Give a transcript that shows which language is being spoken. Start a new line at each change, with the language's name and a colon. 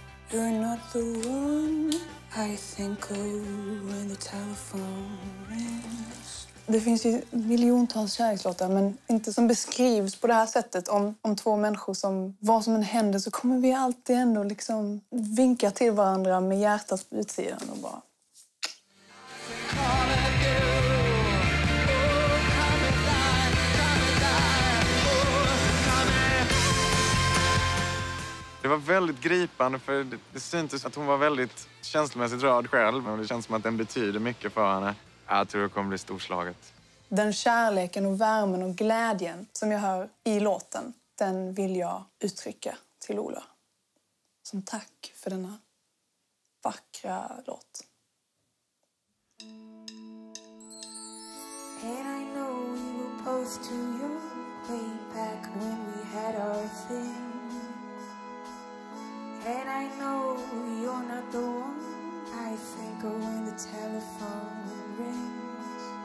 English: You're not the one I think of when the telephone rings.
Swedish: Det finns ju miljontals kärlekslåtar, men inte som beskrivs på det här sättet om två människor som, vad som än händer, så kommer vi alltid ändå liksom vinka till varandra med hjärtat på utsidan och bara... Det var väldigt gripande, för det syntes att hon var väldigt känslomässigt rörd själv. Men det känns som att den betyder mycket för henne. Jag tror det kommer bli storslaget. Den kärleken och värmen och glädjen som jag hör i låten, den vill jag uttrycka till Ola. Som tack för denna vackra låt.
English: And I know you post to you way back when we had our thing. And I know you're not the one I think of when the telephone rings.